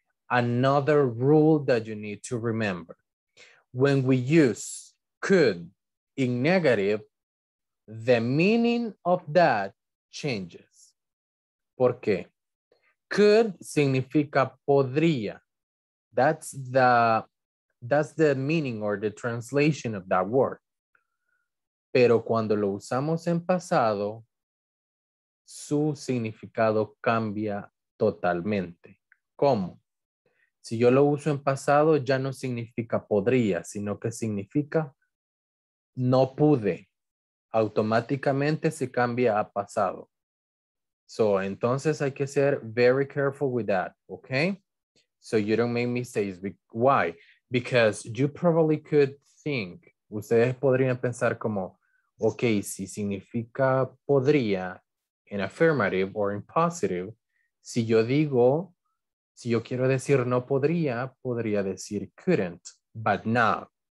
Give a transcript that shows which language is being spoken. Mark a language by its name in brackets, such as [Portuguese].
[English] Another rule that you need to remember. When we use could in negative, the meaning of that changes. [Spanish] ¿Por qué? [English] Could [Spanish] significa podría. [English] That's the meaning or the translation of that word. [Spanish] Pero cuando lo usamos en pasado, su significado cambia totalmente. ¿Cómo? Si yo lo uso en pasado, ya no significa podría, sino que significa no pude. Automáticamente se cambia a pasado. [English] So, [Spanish] entonces hay que ser [English] very careful with that, okay? so you don't make mistakes. Why? Because you probably could think, [Spanish] ustedes podrían pensar como, [English] okay, [Spanish] si significa podría [English] in affirmative or in positive, [Spanish] si yo digo, si yo quiero decir no podría, podría decir [English] couldn't, but no.